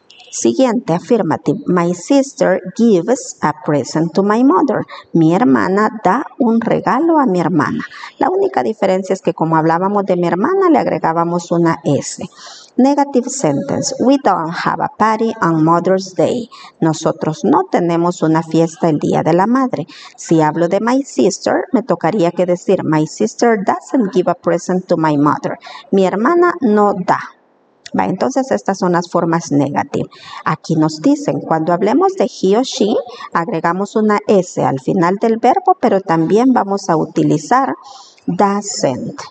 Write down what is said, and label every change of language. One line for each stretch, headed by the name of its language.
Spanish: Siguiente, affirmative.
English: My sister gives a present to my mother.
Spanish: Mi hermana da un regalo a mi hermana. La única diferencia es que como hablábamos de mi hermana, le agregábamos una S.
English: Negative sentence. We don't have a party on Mother's Day.
Spanish: Nosotros no tenemos una fiesta el Día de la Madre. Si hablo de
English: my sister, me tocaría que decir, my sister doesn't give a present to my mother.
Spanish: Mi hermana no da. Va, entonces estas son las formas negativas. Aquí nos dicen, cuando hablemos de he o she, agregamos una S al final del verbo, pero también vamos a utilizar doesn't.